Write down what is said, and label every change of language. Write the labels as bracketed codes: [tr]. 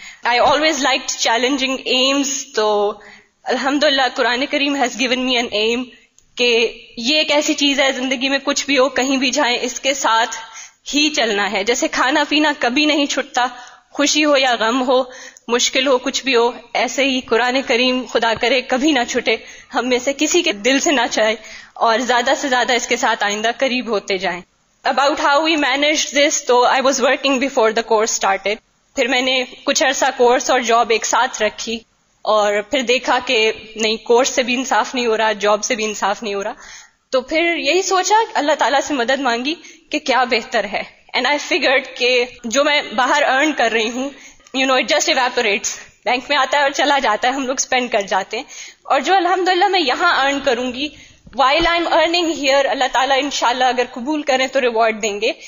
[en] I always liked challenging aims, [ur] تو الحمد للہ قرآن کریم [en] has given me an aim [ur] کہ یہ ایک ایسی چیز ہے زندگی میں کچھ بھی ہو کہیں بھی جائیں اس کے ساتھ ہی چلنا ہے. جیسے کھانا پینا کبھی نہیں چھٹتا، خوشی ہو یا غم ہو، مشکل ہو کچھ بھی ہو، ایسے ہی قرآن کریم خدا کرے کبھی نہ چھٹے ہم میں سے کسی کے دل سے نہ چاہے، اور زیادہ سے زیادہ اس کے ساتھ آئندہ قریب ہوتے جائیں. [en] About how we managed this, though I was working before the course started. [ur] پھر میں نے کچھ عرصہ کورس اور جاب ایک ساتھ رکھی، اور پھر دیکھا کہ نہیں، کورس سے بھی انصاف نہیں ہو رہا، جاب سے بھی انصاف نہیں ہو رہا. تو پھر یہی سوچا، اللہ تعالیٰ سے مدد مانگی کہ کیا بہتر ہے. [en] and I figured [ur] کہ جو میں باہر ارن کر رہی ہوں، [en] you know it just evaporates, [ur] bank میں آتا ہے اور چلا جاتا ہے، ہم لوگ اسپینڈ کر جاتے ہیں، اور جو الحمد للہ میں یہاں ارن کروں گی [en] while I'm earning here, [ur] اللہ تعالیٰ انشاءاللہ اگر قبول کریں تو ریوارڈ دیں گے.